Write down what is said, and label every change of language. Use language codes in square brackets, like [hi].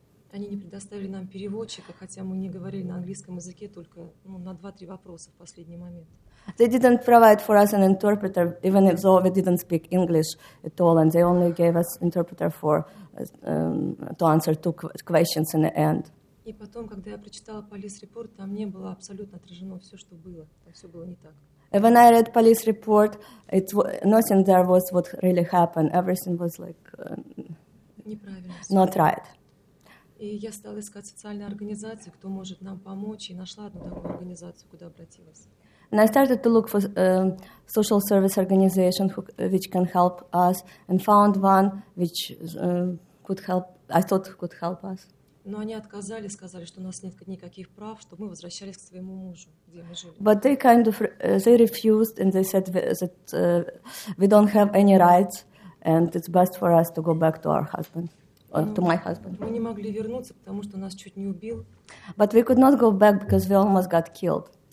[ru] Они не предоставили нам переводчика, хотя мы не говорили на английском языке, только на 2-3 вопроса в последний момент. [en] They didn't provide for us an interpreter, even though we didn't speak English at all, and they only gave us interpreter for to answer 2 questions in the end. [ru] И потом, когда я прочитала [en] police report, [ru] там не было абсолютно отражено все, что было. Там все было не так. [en] And when I read police report, it nothing there was what really happened. Everything was like [ru] неправильно. [en] Not right. [ru] И я стала искать социальные организации, кто может нам помочь, и нашла одну такую организацию, куда обратилась. [en] And I started to look for social service organization which can help us, and found one which could help. I thought could help us. [ru] Но они отказали, сказали, что у нас нет никаких прав, чтобы мы возвращались к своему мужу, где мы жили. [en] But they kind of they refused, and they said that we don't have any rights, and it's best for us to go back to our husband. To my husband. [ru] Мы не могли вернуться, потому что нас чуть не убил. [en] But we could not go back because we almost got killed.